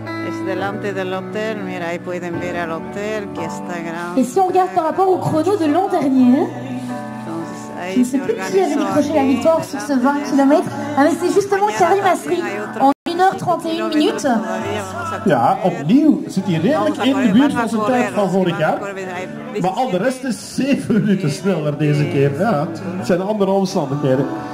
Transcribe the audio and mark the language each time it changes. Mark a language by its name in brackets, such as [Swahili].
[Spanish] Es delante del hotel, mira, ahí pueden ver al hotel que está grande. [French] Et si on regarde par rapport au chrono de l'an dernier, je ne sais plus qui avait décroché la victoire sur ce 20 km, mais c'est justement Karim Azri en 1:31. [Dutch] Ja, opnieuw zit hij redelijk in de buurt van zijn tijd van vorig jaar. Maar al de rest is 7 minuten sneller deze keer. Ja, het zijn andere omstandigheden.